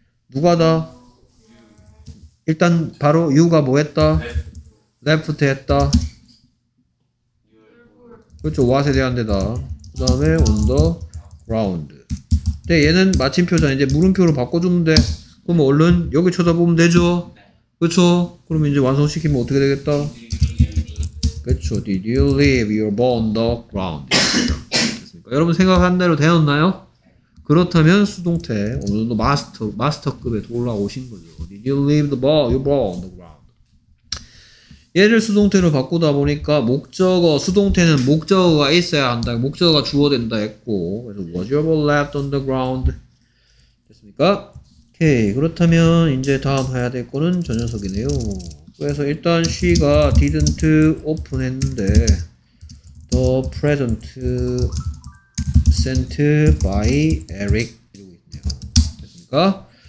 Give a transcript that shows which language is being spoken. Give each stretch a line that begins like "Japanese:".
Korean: 누가 다? 일단 바로 유가 뭐 했다? 레프트 했다. 그렇죠. 왓에 대한 데다. 그 다음에
English: on the ground.
Korean: 근데 얘는 마침표잖아. 이제 물음표로 바꿔주면 돼. 그럼 얼른 여기 쳐다보면 되죠. 그렇죠. 그럼 이제 완성시키면 어떻게 되겠다? 그렇죠.
English: Did you leave your ball on the ground?
Korean: 여러분 생각한 대로 되었나요? 그렇다면 수동태 어느 정도 마스터급에 올라오신 거죠.
English: Did you leave the ball, your ball on the ground?
Korean: 얘를 수동태로 바꾸다 보니까 목적어, 수동태는 목적어가 있어야 한다. 목적어가 주어된다 했고, 그래서
English: was your ball left on the ground?
Korean: 됐습니까? 오케이. 그렇다면 이제 다음 해야 될 거는 저 녀석이네요. 그래서 일단 she가
English: didn't open
Korean: 했는데
English: the present sent by Eric
Korean: 이러고 있네요. 됐습니까?